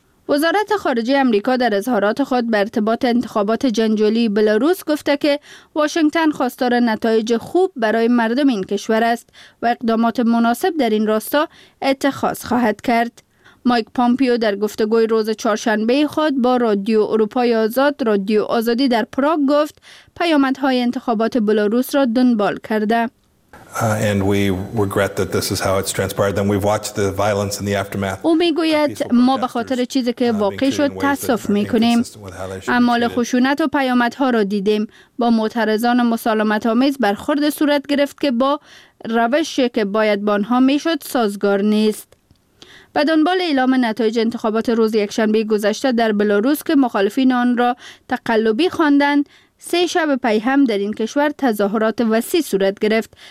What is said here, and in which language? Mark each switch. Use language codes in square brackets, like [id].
[fa] وزارت خارجه آمریکا در اظهارات خود به ارتباط انتخابات جنجالی بلاروس گفته که واشنگتن خواستار نتایج خوب برای مردم این کشور است و اقدامات مناسب در این راستا اتخاذ خواهد کرد. مایک پامپیو در گفتگوی روز چهارشنبه خود با رادیو اروپای آزاد رادیو آزادی در پراگ گفت پیامدهای انتخابات بلاروس را دنبال کرده. [en] And we regret that this is how it's transpired. Then we've watched the violence in the aftermath. [fa] او میگوید ما به خاطر چیزی که واقع شد تأسف میکنیم. اعمال خشونت و پیامدها را دیدیم. با معترضان مسالمت آمیز برخورد صورت گرفت که با روشی که باید با آنها میشد سازگار نیست. به دنبال اعلام نتایج انتخابات روز یکشنبه گذشته در بلاروس که مخالفین آن را تقلبی خواندند، سه شب پیهم در این کشور تظاهرات وسیع صورت گرفت.